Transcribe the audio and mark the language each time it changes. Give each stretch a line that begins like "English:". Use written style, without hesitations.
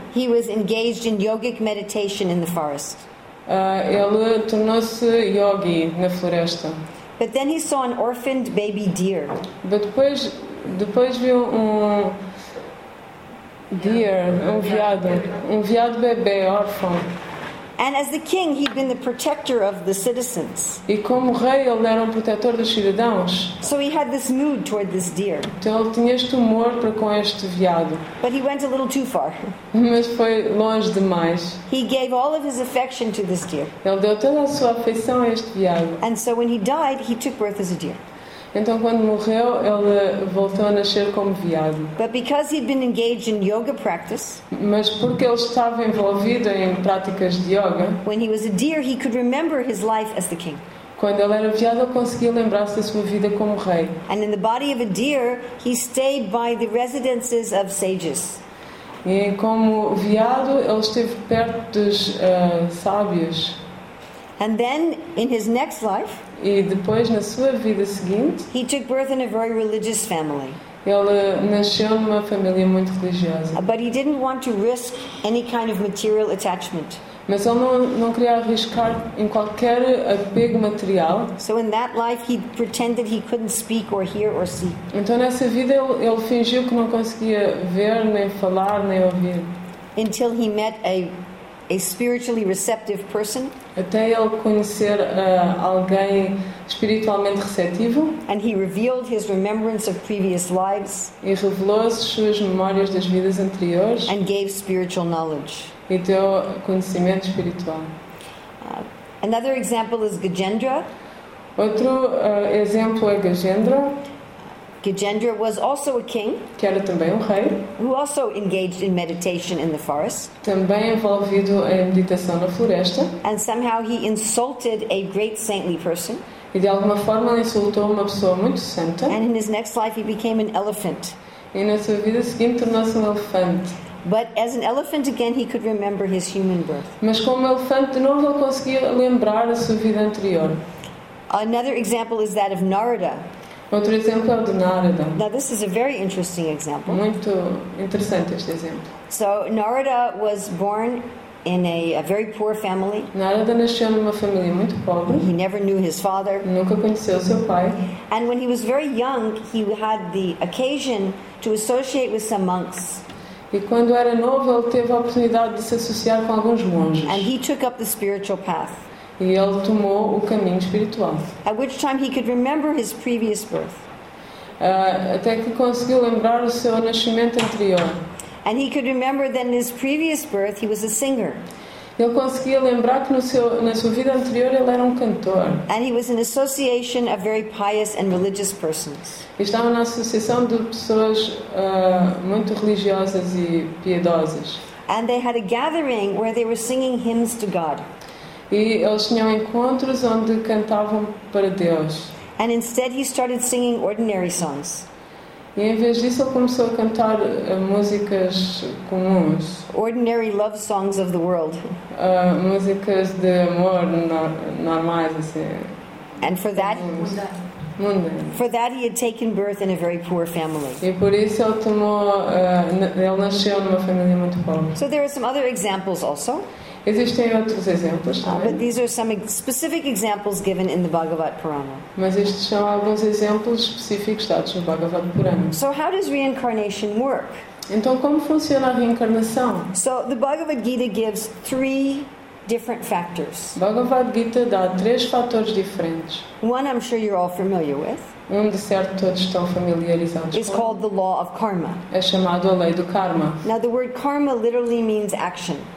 English: He was engaged in yogic meditation in the forest.
Portuguese: Ele tornou-se yogi na floresta.
English: But then he saw an orphaned baby deer.
Portuguese: Depois viu deer, um veado bebê órfão.
English: And as the king, he'd been the protector of the citizens.
Portuguese: E como rei, ele era um protetor dos cidadãos.
English: So he had this mood toward this deer.
Portuguese: Então ele tinha este humor para com este veado.
English: But he went a little too far.
Portuguese: Mas foi longe demais.
English: He gave all of his affection to this deer.
Portuguese: Ele deu toda a sua afeição a este veado.
English: And so when he died, he took birth as a deer.
Portuguese: Então quando morreu, ele voltou a nascer como veado.
English: But because he'd been engaged in yoga practice,
Portuguese: mas porque ele estava envolvido em práticas de yoga,
English: when he was a deer, he could remember his life as the king.
Portuguese: Quando ele era veado, ele conseguia lembrar-se da sua vida como rei.
English: And in the body of a deer, he stayed by the residences of sages.
Portuguese: E como veado, ele esteve perto dos sábios.
English: And then in his next life,
Portuguese: e depois na sua vida seguinte,
English: he took birth in a very religious family.
Portuguese: Ele nasceu numa família muito religiosa.
English: But he didn't want to risk any kind of material attachment.
Portuguese: Mas ele não queria arriscar em qualquer apego material.
English: So in that life he pretended he couldn't speak or hear or see.
Portuguese: Então nessa vida ele fingiu que não conseguia ver nem falar nem ouvir.
English: Until he met a spiritually receptive person.
Portuguese: Até ele conhecer alguém espiritualmente receptivo.
English: And he revealed his remembrance of previous lives.
Portuguese: E revelou as suas memórias das vidas anteriores.
English: And gave spiritual knowledge.
Portuguese: E deu conhecimento espiritual.
English: Another example is Gajendra.
Portuguese: Outro exemplo é Gajendra.
English: Gajendra was also a king,
Portuguese: que era também rei,
English: who also engaged in meditation in the forest.
Portuguese: Também envolvido em meditação na floresta.
English: And somehow he insulted a great saintly person.
Portuguese: E de alguma forma insultou uma pessoa muito santa.
English: And in his next life he became an elephant.
Portuguese: E na sua vida seguinte tornou-se elefante.
English: But as an elephant again, he could remember his human birth.
Portuguese: Mas como elefante de novo ele conseguia lembrar a sua vida anterior.
English: Another example is that of Narada.
Portuguese: Outro exemplo é o de Narada.
English: Now this is a very interesting example.
Portuguese: Muito interessante este exemplo.
English: So Narada was born in a very poor family.
Portuguese: Narada nasceu numa família muito pobre.
English: He never knew his father.
Portuguese: Nunca conheceu seu pai.
English: And when he was very young, he had the occasion to associate with some monks.
Portuguese: E quando era novo, ele teve a oportunidade de se associar com alguns monges.
English: And he took up the spiritual path.
Portuguese: E ele tomou o caminho espiritual.
English: At which time he could remember his previous birth.
Portuguese: Até que conseguiu lembrar o seu nascimento anterior.
English: And he could remember that in his previous birth he was a singer.
Portuguese: Ele conseguia lembrar que na sua vida anterior ele era cantor.
English: And he was in association of very pious and religious persons.
Portuguese: E estava na associação de pessoas muito religiosas e piedosas.
English: And they had a gathering where they were singing hymns to God.
Portuguese: E eles tinham encontros onde cantavam para Deus.
English: And instead he started singing ordinary songs.
Portuguese: E em vez disso ele começou a cantar músicas comuns.
English: Ordinary love songs of the world.
Portuguese: Músicas de amor normais assim.
English: And for that, mundane. For that he had taken birth in a very poor family.
Portuguese: E por isso ele ele nasceu numa família muito pobre.
English: So there are some other examples also.
Portuguese: Existem outros exemplos também.
English: But these are some specific examples given in the Bhagavad Purana.
Portuguese: Mas estes são alguns exemplos específicos dados no Bhagavad Purana.
English: So how does reincarnation work?
Portuguese: Então como funciona a reencarnação?
English: So the Bhagavad Gita gives three different factors.
Portuguese: Bhagavad Gita dá três fatores diferentes.
English: One I'm sure you're all familiar with.
Portuguese: onde certo todos estão familiarizados.
English: It's called the law of karma.
Portuguese: É chamado a lei do karma.
English: Now the word karma literally means action.